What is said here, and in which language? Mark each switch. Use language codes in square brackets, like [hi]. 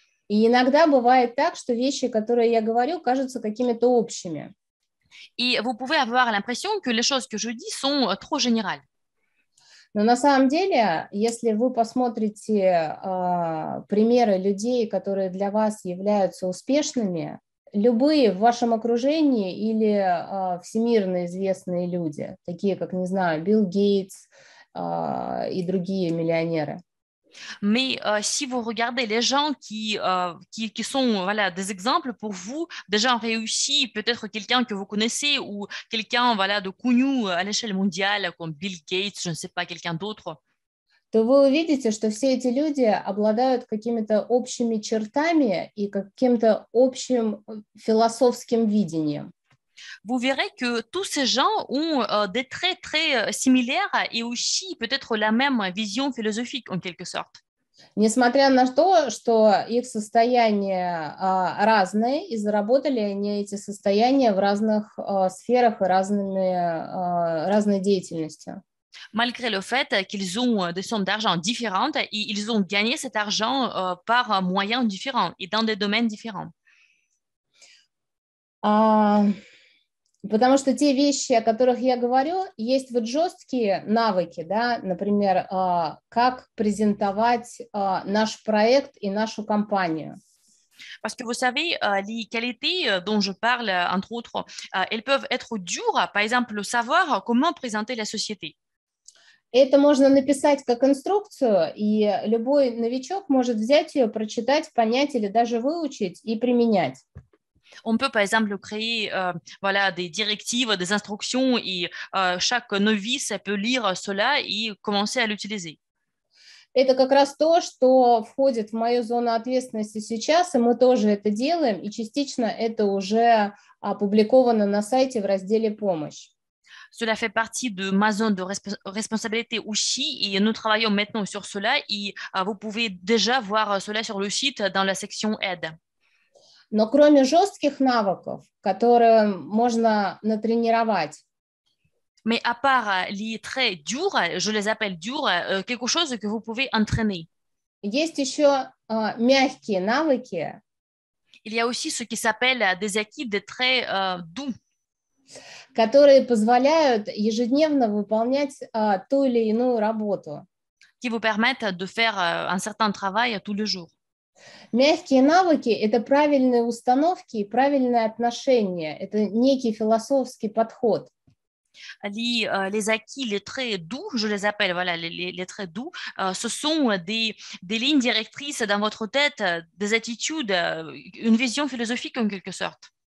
[ru] И иногда бывает так, что вещи, которые я говорю, кажутся какими-то общими. [fr] И vous pouvez avoir l'impression que les choses que je dis sont trop générales. [ru] Но на самом деле, если вы посмотрите примеры людей, которые для вас являются успешными, любые в вашем окружении или всемирно известные люди, такие как, не знаю, Билл Гейтс и другие миллионеры. [fr] Mais si vous regardez les gens qui sont voilà, des exemples pour vous, des gens réussis, peut-être quelqu'un que vous connaissez ou quelqu'un voilà, de connu à l'échelle mondiale comme Bill Gates, je ne sais pas, quelqu'un d'autre, [ru] то вы увидите, что все эти люди обладают какими-то общими чертами и каким-то общим философским видением. [fr] Vous verrez que tous ces gens ont des traits très similaires et aussi peut-être la même vision philosophique en quelque sorte. [ru] Несмотря на то, что их состояния разные, и заработали они эти состояния в разных сферах и разной деятельностью. [fr] Malgré le fait qu'ils ont des sommes d'argent différentes, et ils ont gagné cet argent par moyens différents et dans des domaines différents. [ru] Потому что те вещи, о которых я говорю, есть вот жесткие навыки, да, например, как презентовать наш проект и нашу компанию. [fr] Parce que vous savez, les qualités dont je parle, entre autres, elles peuvent être dures, par exemple, savoir comment présenter la société. [ru] Это можно написать как инструкцию, и любой новичок может взять ее, прочитать, понять или даже выучить и применять. [fr] On peut, par exemple, créer voilà, des directives, des instructions, et chaque novice peut lire cela et commencer à l'utiliser. [ru] Это как раз то, что входит в мою зону ответственности сейчас, и мы тоже это делаем, и частично это уже опубликовано на сайте в разделе «Помощь». [fr] Cela fait partie de ma zone de responsabilité aussi, et nous travaillons maintenant sur cela, et vous pouvez déjà voir cela sur le site dans la section « Aide ». [ru] Но кроме жестких навыков, которые можно натренировать. [fr] Mais à part les traits durs, je les appelle durs, quelque chose que vous pouvez entraîner. [ru] Есть еще мягкие навыки. [fr] Il y a aussi ce qui s'appelle des acquis, des traits doux. [ru] которые позволяют ежедневно выполнять ту или иную работу. [fr] Qui vous permettent de faire un certain travail tous les jours. [ru] Мягкие навыки – это правильные установки и правильное отношение. Это некий философский подход. [fr] Les acquis, les traits doux, je les appelle, voilà, les traits doux, ce sont des lignes directrices dans votre tête, des attitudes, une vision philosophique en quelque sorte.